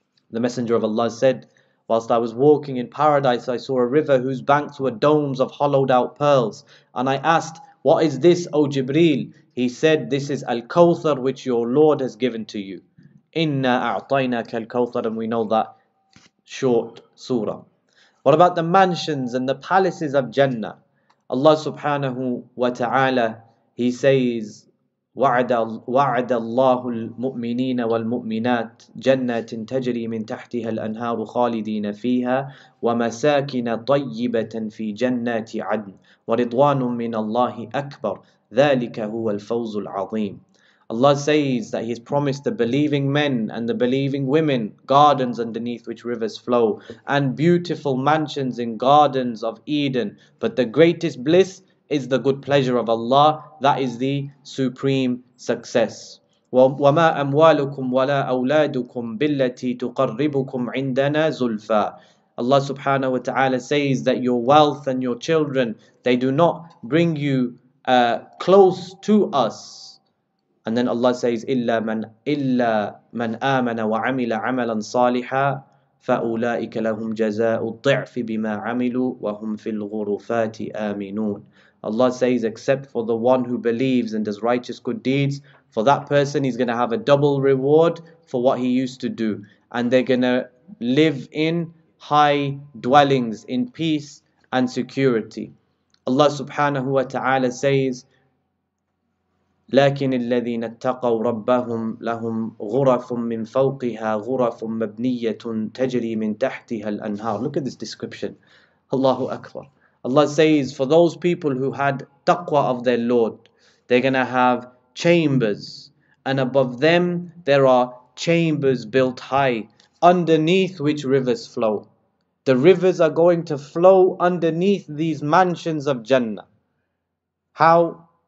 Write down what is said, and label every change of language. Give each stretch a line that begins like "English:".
English: The Messenger of Allah said, whilst I was walking in paradise, I saw a river whose banks were domes of hollowed out pearls. And I asked, what is this, O Jibreel? He said, this is Al-Kawthar, which your Lord has given to you.
Arabic: Inna a'tainaka Al-Kawthar,
English: and we know that short surah. What about the mansions and the palaces of Jannah? Allah subhanahu wa ta'ala, he says,
Arabic: وَعَدَ اللَّهُ الْمُؤْمِنِينَ وَالْمُؤْمِنَاتِ جَنَّةٍ تَجْرِي مِنْ تَحْتِهَا الْأَنْهَارُ خَالِدِينَ فِيهَا وَمَسَاكِنَ طَيِّبَةً فِي جَنَّةِ عَدْنٍ وَرِضْوَانٌ مِّنَ اللَّهِ أَكْبَرُ ذَلِكَ هُوَ الْفَوْزُ الْعَظِيمُ.
English: Allah says that He has promised the believing men and the believing women gardens underneath which rivers flow and beautiful mansions in gardens of Eden, but the greatest bliss is the good pleasure of Allah, that is the supreme success.
Arabic: وَمَا أَمْوَالُكُمْ وَلَا أَوْلَادُكُمْ بِالَّتِي تُقَرِّبُكُمْ عِنْدَنَا زُلْفَى.
English: Allah subhanahu wa ta'ala says that your wealth and your children, they do not bring you close to us. And then Allah says,
Arabic: إِلَّا مَنْ آمَنَ وَعَمِلَ عَمَلًا صَالِحًا فَأُولَٰئِكَ لَهُمْ جَزَاءُ الضِّعْفِ بِمَا عَمِلُوا وَهُمْ فِي الْغُرُفَاتِ آمِنُونَ.
English: Allah says, except for the one who believes and does righteous good deeds, for that person he's going to have a double reward for what he used to do. And they're going to live in high dwellings, in peace and security. Allah subhanahu wa ta'ala says,
Arabic: لَكِنِ الَّذِينَ اتَّقَوْا رَبَّهُمْ لَهُمْ غُرَفٌ مِّن فَوْقِهَا غُرَفٌ مَّبْنِيَّةٌ تَجْرِي مِّن تَحْتِهَا الْأَنْهَارِ.
English: Look at this description. Allahu Akbar. Allah says, for those people who had taqwa of their Lord, they're going to have chambers. And above them, there are chambers built high, underneath which rivers flow. The rivers are going to flow underneath these mansions of Jannah. How?